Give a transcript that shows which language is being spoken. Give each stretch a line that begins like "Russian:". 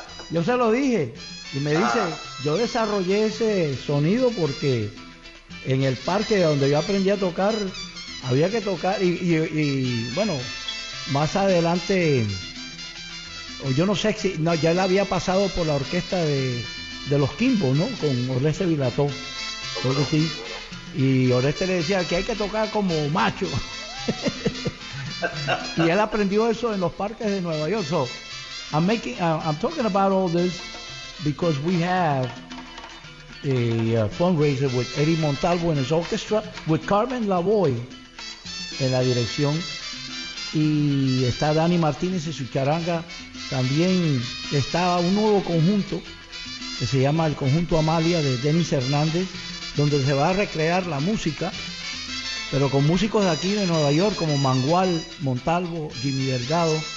Spanish: Yo se lo dije y me dice, yo desarrollé ese sonido porque en el parque donde yo aprendí a tocar, había que tocar y bueno, más adelante, yo no sé si, no, ya él había pasado por la orquesta de los Kimbo, ¿no? Con Oreste Vilató. Porque sí. Y Oreste le decía que hay que tocar como macho. Y él aprendió eso en los parques de Nueva York.
English: So, I'm talking about all this because we have a fundraiser with Eddie Montalvo and his orchestra, with Carmen Lavoe
Spanish: en la dirección. Y está Dani Martínez y su charanga. También está un nuevo conjunto que se llama el Conjunto Amalia, de Denis Hernández, donde se va a recrear la música, pero con músicos de aquí de Nueva York, como Mangual, Montalvo, Jimmy Delgado,